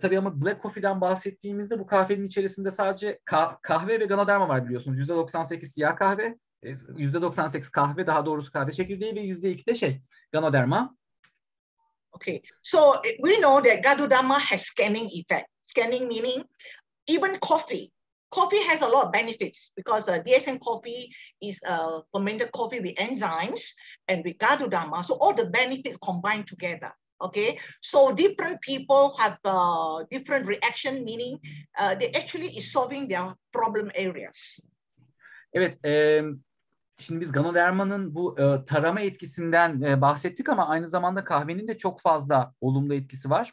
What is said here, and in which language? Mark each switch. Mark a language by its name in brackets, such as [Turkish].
[Turkish] Tabii ama black coffee'den bahsettiğimizde bu kahvenin içerisinde sadece kahve ve Ganoderma var biliyorsunuz. %98 siyah kahve. %98 kahve, daha doğrusu kahve çekirdeği ve %2 de Ganoderma. [English] Okay. So, we know that Ganoderma has scanning effect. scanning meaning, even coffee. Coffee has a lot of benefits because DSM coffee is fermented coffee with enzymes and with Garudama. So all the benefits combined together. Okay, so different people have different reaction, meaning they actually is solving their problem areas. [Turkish] Evet, şimdi biz Ganoderma'nın bu tarama etkisinden bahsettik ama aynı zamanda kahvenin de çok fazla olumlu etkisi var.